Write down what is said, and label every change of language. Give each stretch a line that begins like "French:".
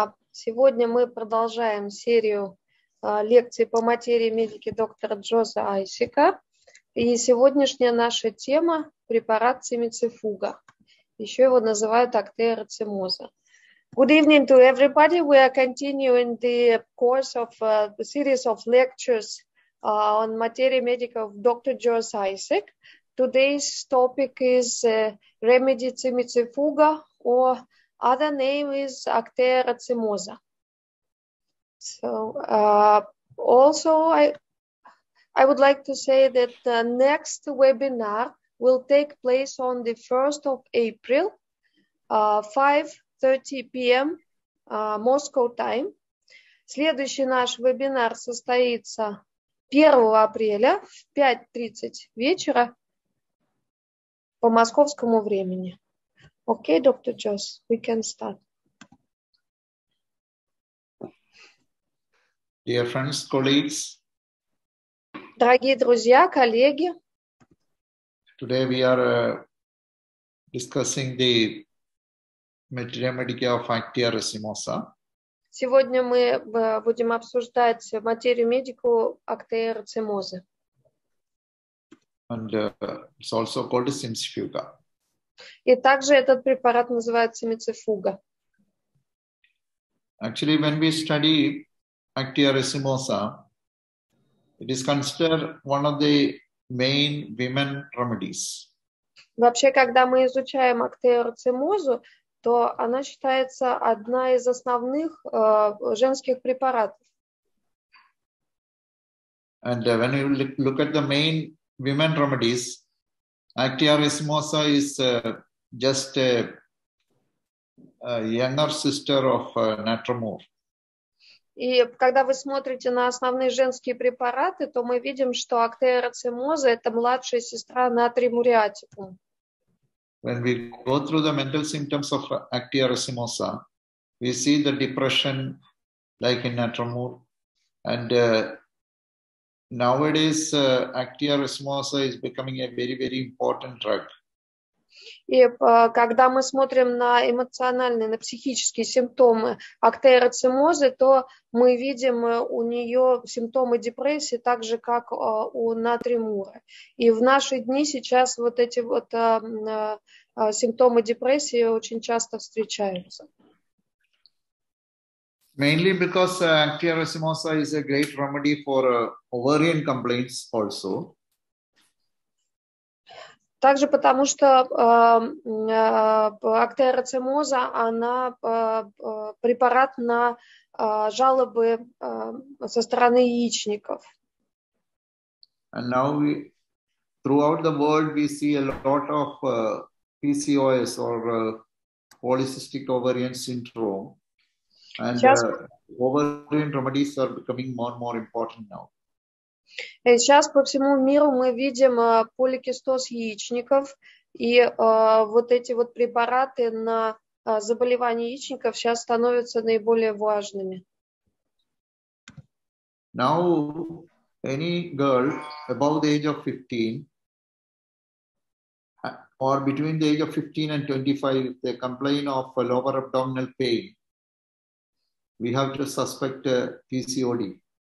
Russian: Сегодня мы продолжаем серию лекций по материи медики доктора Джоза Айсика. И сегодняшняя наша тема – препарат цимицифуга. Еще его называют актеэрцимоза.
English: Good evening to everybody. We are continuing the course of the series of lectures on materia medica of Dr. Jos Isaac. Today's topic is remedy cimicifuga, or other name is actaerocimosa. So also I would like to say that the next webinar will take place on the 1st of April, 5:30 p.m. Moscow time.
Russian: Следующий наш вебинар состоится 1 апреля в 5:30 вечера по московскому времени.
English: Okay, Dr. Joss, we can start. Dear friends, colleagues.
Russian: Дорогие друзья, коллеги.
English: Today we are discussing the Materia medica of actaerocimosa.
Russian: Сегодня мы будем обсуждать материю медику актеэрцимозы.
English: And it's also called cimicifuga.
Russian: И также этот препарат называется цимицифуга.
English: Actually, when we study actaerocimosa, it is considered one of the main women remedies.
Russian: Вообще, когда мы изучаем актеэрцимозу, то она считается одна из основных женских препаратов.
English: And when you look at the main women remedies, actaerocimosa is just a younger sister of Natremor.
Russian: И когда вы смотрите на основные женские препараты, то мы видим, что актеэрцимоза – это младшая сестра натримуриатикум.
English: When we go through the mental symptoms of actaerocimosa, we see the depression, like in Natremor. And nowadays, actaerocimosa is becoming a very, very important drug.
Russian: И когда мы смотрим на эмоциональные, на психические симптомы актеэрцимозы, то мы видим у нее симптомы депрессии, так же, как у натримура. И в наши дни сейчас вот эти вот симптомы депрессии очень часто встречаются.
English: Mainly because actaerocimosa is a great remedy for ovarian complaints also.
Russian: Также потому, что актеэрцимоза, она препарат на жалобы со стороны яичников.
English: And now we, throughout the world, we see a lot of PCOS or polycystic ovarian syndrome. And ovarian remedies are becoming more and more important now.
Russian: Сейчас по всему миру мы видим поликистоз яичников, и вот эти вот препараты на заболевания яичников сейчас становятся наиболее важными.
English: Now, any girl above the age of 15, or between the age of 15 and 25, if they complain of lower abdominal pain, we have to suspect PCOD.